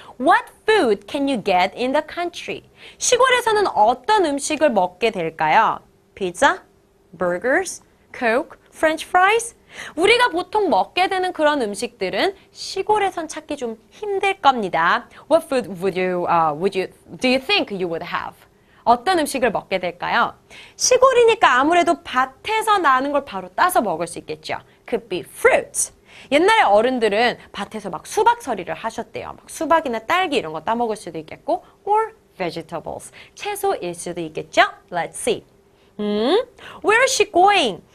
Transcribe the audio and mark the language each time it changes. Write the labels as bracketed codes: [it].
[en] What food can you get in the country? [ko] 시골에서는 어떤 음식을 먹게 될까요? [en] Pizza, burgers, coke, french fries? [ko] 우리가 보통 먹게 되는 그런 음식들은 시골에선 찾기 좀 힘들 겁니다. [en] What food do you think you would have? [ko] 어떤 음식을 먹게 될까요? 시골이니까 아무래도 밭에서 나는 걸 바로 따서 먹을 수 있겠죠. [en] Could be fruits. [ko] 옛날에 어른들은 밭에서 막 수박 서리를 하셨대요. 막 수박이나 딸기 이런 거 따 먹을 수도 있겠고 [en] or vegetables. [ko] 채소일 수도 있겠죠. [en] Let's see. Where is she going?